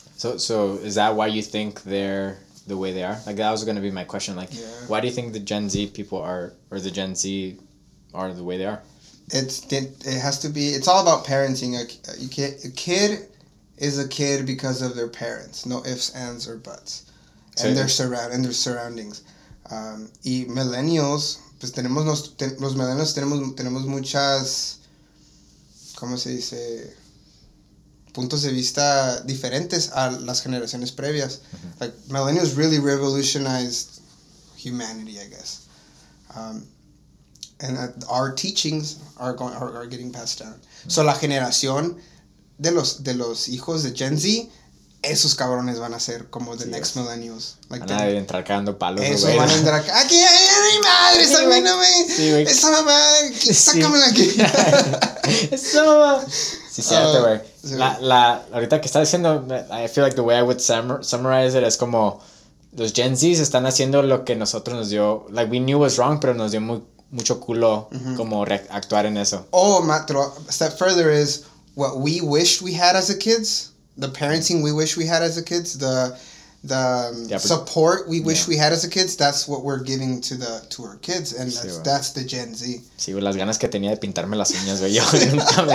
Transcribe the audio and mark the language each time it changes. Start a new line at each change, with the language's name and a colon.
English: So is that why you think they're the way they are? Like, that was going to be my question. Like, yeah. Why do you think the Gen Z people are, or the Gen Z are the way they are? It has to be, it's all about parenting. A kid is a kid because of their parents. No ifs, ands, or buts. And their surroundings.
Spanish: Y millennials, pues tenemos, los millennials tenemos muchas, ¿cómo se dice? Puntos de vista diferentes a las generaciones previas.
English: Mm-hmm. Like, millennials really revolutionized humanity, I guess. And our teachings are getting passed down.
Spanish: Mm-hmm. So la generación de los hijos de Gen Z, esos cabrones van a ser como
English: the next millennials.
Spanish: Like, van a entrar cagando palos. Eso, van a entrar cagando. ¡Aquí hay mi madre! ¡Esa mamá! No me... sí, ¡esa mamá! ¡Sácamela aquí! ¡Esa mamá! Sí, cierto, güey. Sí, la ahorita que estás diciendo,
English: I feel like the way I would summarize it
Spanish: es como... Los Gen Zs están haciendo lo que nosotros nos dio... Like,
English: we knew was wrong,
Spanish: pero nos dio mucho culo, uh-huh, como actuar en eso.
English: Oh, Matt, a step further is what we wished we had as the kids, the parenting we wish we had as the kids, the support we wish we had as the kids, that's what we're giving to our kids, and that's the Gen Z.
Spanish: Sí, güey, las ganas que tenía de pintarme las uñas, güey, yo nunca me...